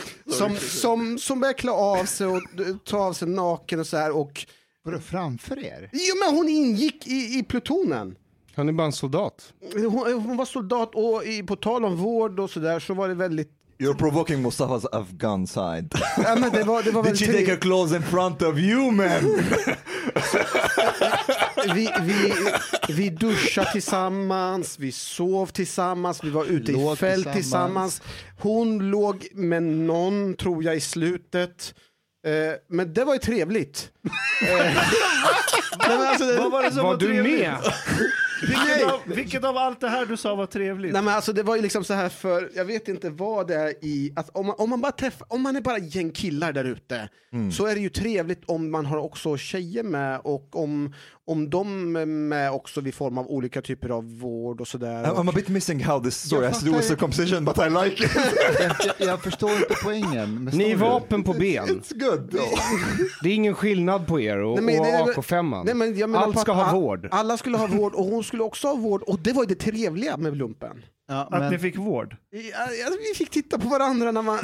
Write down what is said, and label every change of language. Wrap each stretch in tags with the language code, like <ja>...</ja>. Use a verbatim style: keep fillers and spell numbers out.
<sv>Som, som, som börjar klä av sig och ta av sig naken och så här. Och... Var det framför er? Jo, men hon ingick i, i plutonen. Hon är bara en soldat. Hon, hon var soldat, och i, på tal om vård och så där så var det väldigt...</sv> <en>You're provoking Mustafas Afghan side.</en> <sv>Ja, men det var, det var</sv> <en>Did she take her clothes in front of you, man?</en> <sv>vi, vi, vi duschade tillsammans, vi sov tillsammans, vi var ute låg i fält tillsammans. tillsammans. Hon låg med någon, tror jag, i slutet. Eh, men det var ju trevligt. Men alltså, vad var det som var, var du med? Vilket av, vilket av allt det här du sa var trevligt? Nej, men alltså det var ju liksom så här, för jag vet inte vad det är i att om man, om man bara träffar, om man är bara gäng killar där ute, mm. så är det ju trevligt om man har också tjejer med, och om om de är med också vid form av olika typer av vård och sådär.</sv> <en>I'm, I'm a bit missing how this story has to do with circumcision, but I like it.</en> <sv>jag, jag förstår inte poängen. Ni är vapen på ben.</sv> <en>It's good.</en> <sv>Det är ingen skillnad på er och, nej, men, och A K fem. Nej, men jag menar allt ska att, ha vård. Alla skulle ha vård, och hon skulle också ha vård, och det var ju det trevliga med lumpen. Ja, att men... ni fick vård? Ja, alltså, vi fick titta på varandra när man...</sv>